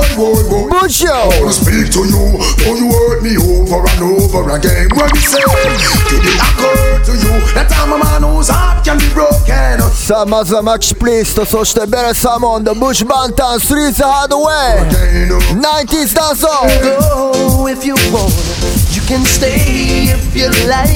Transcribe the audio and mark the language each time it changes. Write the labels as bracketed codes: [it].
[en] Speak to you, though you hurt me over and over again. What you say? Did it occur to you that I'm a man whose heart can be broken? [ja] さあまずはマキシプリスト、そしてベレサモン、ザ・ブッシュ・バンタン、スリーズ・ハードウェイ、 90'sダンスオン。 [en] Go if you want, you can stay if you like.